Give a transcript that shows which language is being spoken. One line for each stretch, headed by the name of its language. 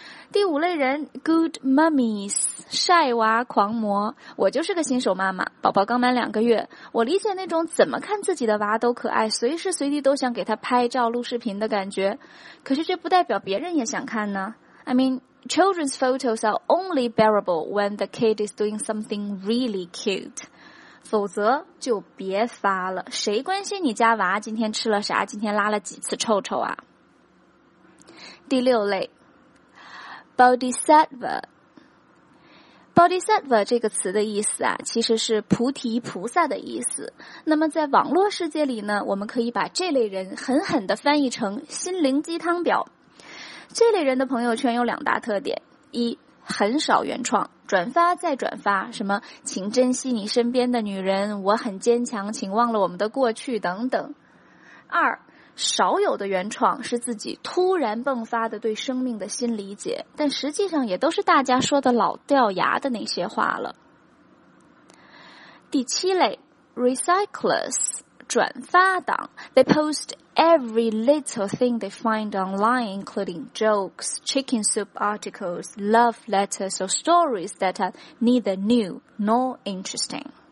Chinese: 第五类人 Good mummies，晒娃狂魔。我就是个新手妈妈，宝宝刚满两个月，我理解那种怎么看自己的娃都可爱，随时随地都想给他拍照录视频的感觉。可是这不代表别人也想看呢。
English: I mean, children's photos are only bearable when the kid is doing something really cute.
Chinese: 否则就别发了，谁关心你家娃今天吃了啥，今天拉了几次臭臭啊。第六类 Bodhisattva。Bodhisattva 这个词的意思啊，其实是菩提菩萨的意思。那么在网络世界里呢，我们可以把这类人狠狠地翻译成心灵鸡汤婊。这类人的朋友圈有两大特点：一，很少原创，转发再转发，什么请珍惜你身边的女人，我很坚强，请忘了我们的过去等等；二，少有的原创是自己突然迸发的对生命的新理解，但实际上也都是大家说的老掉牙的那些话了。第七类
English: ,recyclers,
Chinese: 转发党
English: ,they post every little thing they find online, including jokes, chicken soup articles, love letters or stories that are neither new nor interesting.